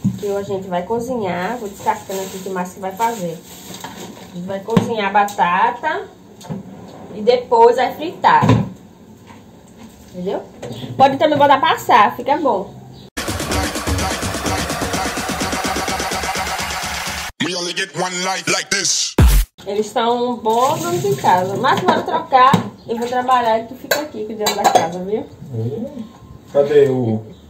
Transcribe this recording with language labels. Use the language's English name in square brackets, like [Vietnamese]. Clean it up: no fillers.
[Portuguese] Que a gente vai cozinhar. Vou descascando aqui que o Márcio vai fazer. A gente vai cozinhar a batata e depois vai fritar. Entendeu? Pode também botar pra assar, fica bom. [English] We only get one life like this. [Portuguese] Eles estão bons em casa. Mas vai trocar, eu vou trabalhar e tu fica aqui com o dinheiro da casa, viu? Cadê o...